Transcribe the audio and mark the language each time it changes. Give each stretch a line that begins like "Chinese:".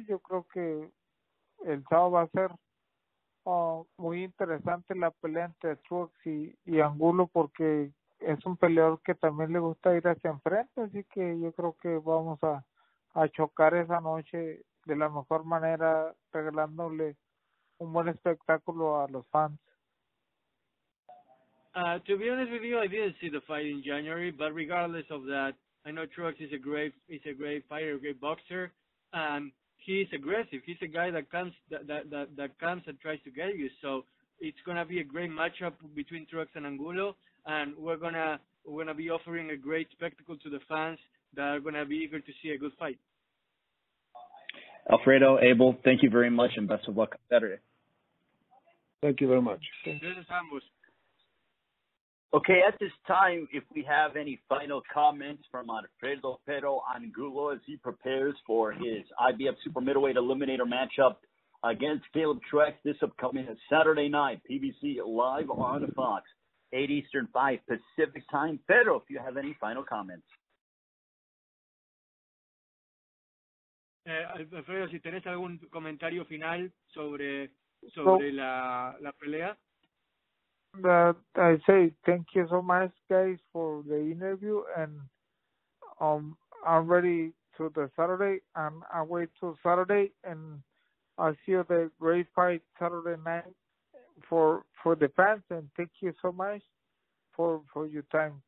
Spanish: Yo creo que el sábado va a ser muy interesante la pelea entre Truax y Angulo, porque es un peleador que también le gusta ir hacia enfrente, así que yo creo que vamos a chocar esa noche de la mejor manera, regalándole un buen espectáculo a los fans.
English: To be honest with you, I didn't see the fight in January, but regardless of that, I know Truax is a great fighter, a great boxer, and he's aggressive. He's a guy that comes and tries to get you. So it's gonna be a great matchup between Truax and Angulo, and we're gonna be offering a great spectacle to the fans that are gonna be eager to see a good fight. Alfredo, Abel, thank you very much, and best of luck Saturday. Thank you very much. Okay, at this time, if we have any final comments from Alfredo Perro Angulo as he prepares for his IBF Super Middleweight Eliminator matchup against Caleb Truax this upcoming Saturday night, PBC live on Fox, 8 Eastern, 5 Pacific time. Perro, if you have any final comments.
Spanish: Alfredo, si tenés algún comentario final sobre la pelea.
English: I say thank you so much, guys, for the interview, and I'm ready to the Saturday, and I wait till Saturday, and I'll see you the great fight Saturday night for the fans, and thank you so much for your time.